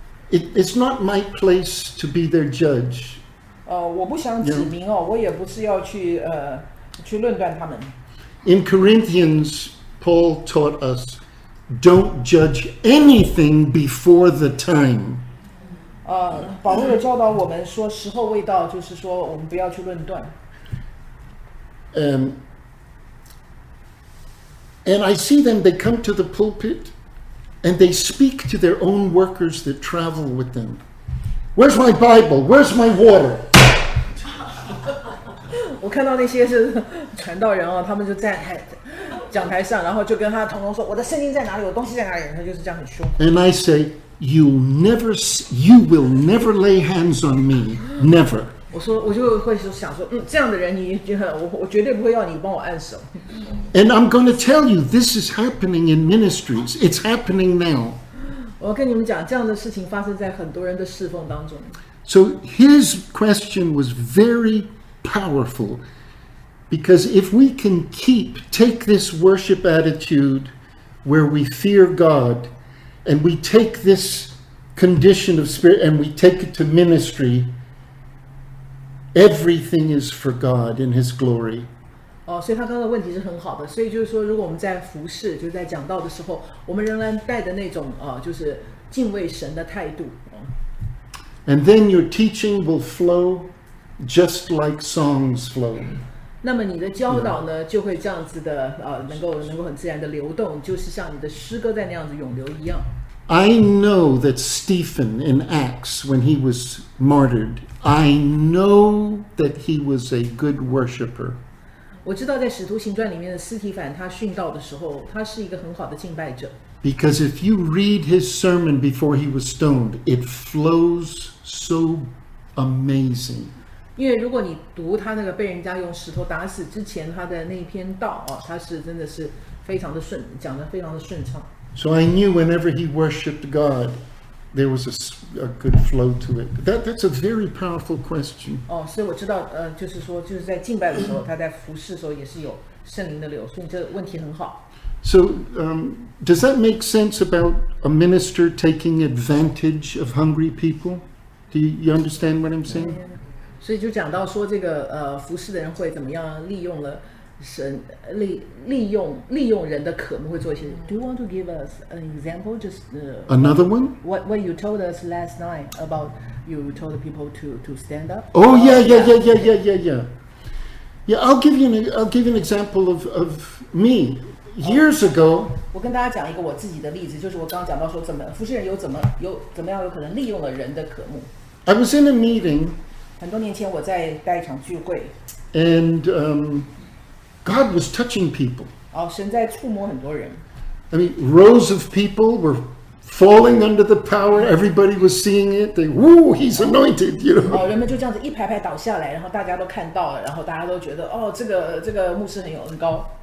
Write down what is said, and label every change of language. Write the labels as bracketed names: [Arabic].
[English] It's not my place to be their judge. [Chinese] 我不想指名哦，我也不是要去论断他们。 [English] In Corinthians, Paul taught us, don't judge anything before the time. [Chinese] 保罗教导我们说，时候未到，就是说我们不要去论断。 [English] And I see them, they come to the pulpit. And they speak to their own workers that travel with them. Where's my Bible? Where's my water? [Chinese] 我看到那些是传道人哦，他们就在讲台上，然后就跟他同工说：“我的圣经在哪里？我东西在哪里？” 他就是这样很凶。 [English] And I say, you will never lay hands on me, never. [Chinese] 我说，我就会想说，这样的人，我绝对不会要你帮我按手。 [English] And I'm going to tell you, this is happening in ministries. It's happening now. [Chinese] 我跟你们讲，这样的事情发生在很多人的侍奉当中。 [English] So his question was very powerful, because if we can take this worship attitude, where we fear God, and we take this condition of spirit, and we take it to ministry. Everything is for God in His glory. [Chinese] 哦，所以他刚刚的问题是很好的。所以就是说，如果我们在服事，就在讲道的时候，我们仍然带着那种就是敬畏神的态度。 [English] And then your teaching will flow just like songs flow. [Chinese] 那么你的教导呢，就会这样子的，能够很自然的流动，就是像你的诗歌在那样子涌流一样。 [English] I know that Stephen in Acts, when he was martyred, I know that he was a good worshipper. [Chinese] 我知道在《使徒行传》里面的斯提凡，他殉道的时候，他是一个很好的敬拜者。 [English] Because if you read his sermon before he was stoned, it flows so amazing. [Chinese] 因为如果你读他那个被人家用石头打死之前他的那篇道，他是真的是非常的顺，讲得非常的顺畅。 [English] So I knew whenever he worshipped God, there was a good flow to it. That's a very powerful question. [Chinese] 哦，所以我知道，就是说，就是在敬拜的时候，他在服事的时候也是有圣灵的流，所以这个问题很好。 [English] So, does that make sense about a minister taking advantage of hungry people? Do you understand what I'm saying? [Chinese] 所以就讲到说这个服事的人会怎么样利用了。神 利用人的渴慕会做一些。 [English] Do you want to give us an example? Just another one. What you told us last night about you told people to stand up. Oh yeah. I'll give you an example of me years ago. [Chinese] 我跟大家讲一个我自己的例子，就是我刚刚讲到说怎么服事人有怎么样有可能利用了人的渴慕。 [English] I was in a meeting. [Chinese] 很多年前我在带一场聚会。 [English] And God was touching people. [Chinese] 神在触摸很多人。 [English] I mean, rows of people were falling under the power. Everybody was seeing it. They, woo, he's anointed, you know. [Chinese] 人们就这样子一排排倒下来，然后大家都看到了，然后大家都觉得，这个牧师很有恩膏。